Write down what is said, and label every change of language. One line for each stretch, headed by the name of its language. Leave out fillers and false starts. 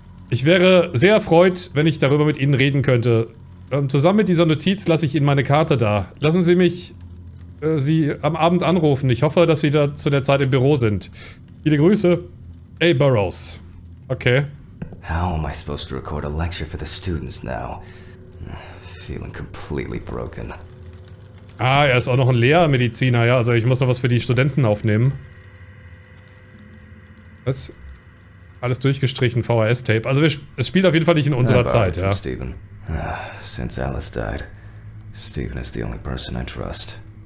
German: Ich wäre sehr erfreut, wenn ich darüber mit Ihnen reden könnte. Zusammen mit dieser Notiz lasse ich Ihnen meine Karte da. Lassen Sie mich Sie am Abend anrufen. Ich hoffe, dass Sie da zu der Zeit im Büro sind. Viele Grüße. A. Burrows. Okay.
English: How am I supposed to record a lecture for the students now? Feeling completely broken.
German: Ah, er ist auch noch ein Lehrmediziner, ja. Also ich muss noch was für die Studenten aufnehmen. Was? Alles durchgestrichen, VHS-Tape. Also es spielt auf jeden Fall nicht in unserer Zeit, ja. Steven.
English: Since Alice died, Steven is the only person I trust.